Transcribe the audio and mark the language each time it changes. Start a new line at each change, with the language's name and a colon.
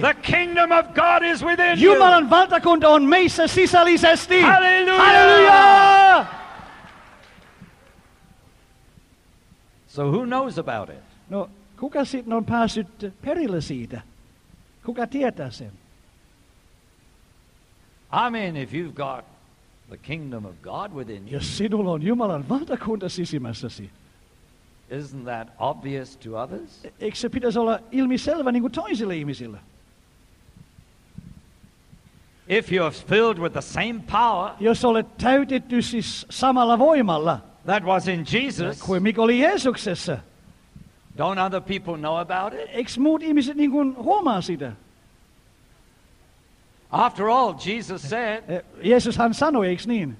English: The kingdom of God is within you.
Finnish: Jumalan valtakunta on meissä sisällisesti.
English: Hallelujah.
Finnish: Hallelujah.
English: So who knows about it?
Finnish: No, kuka sitten on päässyt perille siitä? Kuka tietää sen?
English: I mean, if you've got the kingdom of God within you.
Finnish: Jos sinulla on Jumalan valtakunta sisimmässäsi.
English: Isn't that obvious to others?
Finnish: Eikö se pitäisi olla ilmiselvä niin kuin toisille ihmisille?
English: If you are filled with the same power,
Finnish: jos olet täytetty siis samalla voimalla,
English: that was in Jesus,
Finnish: kuin mikä oli Jeesuksessa,
English: don't other people know about it?
Finnish: Eikö muut ihmiset niin kuin huomaa sitä?
English: After all, Jesus said,
Finnish: Jeesushan sanoi, eikö niin?